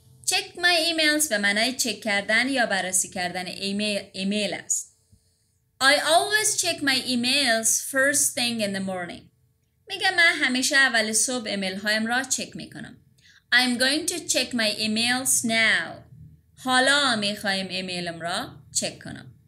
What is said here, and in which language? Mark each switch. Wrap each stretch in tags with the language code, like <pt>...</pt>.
<en>Check my emails</en> <fa>به معنای چک کردن یا بررسی کردن ایمیل است.</fa> <en>I always check my emails first thing in the morning.</en> <fa>میگه من همیشه اول صبح ایمیل هایم را چک میکنم.</fa> <en>I'm going to check my emails now.</en> <fa>حالا میخواهیم ایمیلم را چک کنم.</fa>